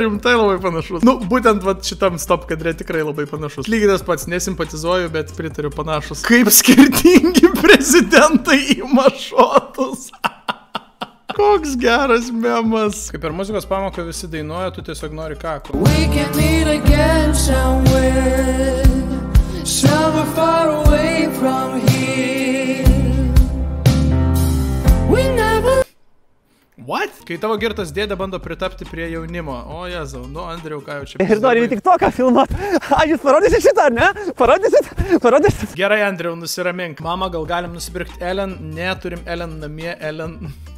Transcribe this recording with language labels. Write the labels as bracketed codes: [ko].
[lt] Rimtai labai panašus. Nu, būtent vat šitam stop kadre tikrai labai panašus. Lygitas pats, nesimpatizuoju, bet pritariu panašus. Kaip skirtingi prezidentai į mašotus. Koks geras memas. Kaip ir muzikos pamoką visi dainuoja, tu tiesiog nori kakų. [en] We can meet again somewhere, somewhere far away from here. We never... What? [lt] Kai tavo girtas dėdė bando pritapti prie jaunimo. O jezau, nu Andriau, ką jau čia... Ir nori tik to, ką filmat. A, jūs parodysit šitą, ar ne? Parodysit? Gerai, Andriau, nusiramink. Mama, gal galim nusipirkti Ellen? Ne, turim Ellen namie, Ellen...